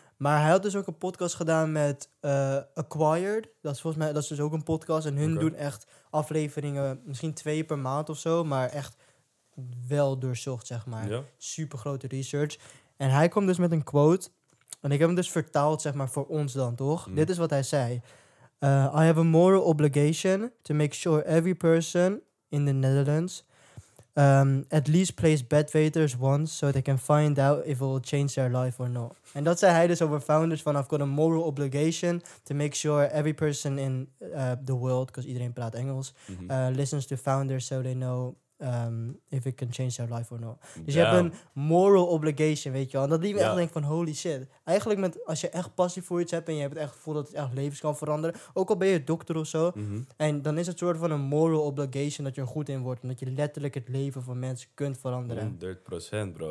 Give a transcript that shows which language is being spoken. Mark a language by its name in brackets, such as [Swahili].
[Dutch] Maar hij had dus ook een podcast gedaan met Acquired. Dat is volgens mij, dat is dus ook een podcast. En hun doen echt afleveringen, misschien 2 per maand of zo. Maar echt wel doorzocht, zeg maar. Ja. Super grote research. En hij kwam dus met een quote. En ik heb hem dus vertaald, zeg maar, voor ons dan, toch? Mm. Dit is wat hij zei. [English] I have a moral obligation to make sure every person in the Netherlands at least plays bedwetters once so they can find out if it will change their life or not. [Dutch] En dat zei hij dus over Founders van [English] I've got a moral obligation to make sure every person in the world, because [Dutch] iedereen praat Engels, mm-hmm. [English] Listens to Founders so they know if it can change their life or not. [Dutch] Dus je hebt een moral obligation, weet je wel. En dat liet me echt denken van holy shit. Eigenlijk als je echt passie voor iets hebt en je hebt het echt gevoel dat het echt levens kan veranderen, ook al ben je dokter of zo, mm-hmm. en dan is het soort van een moral obligation dat je er goed in wordt en dat je letterlijk het leven van mensen kunt veranderen. 100% bro.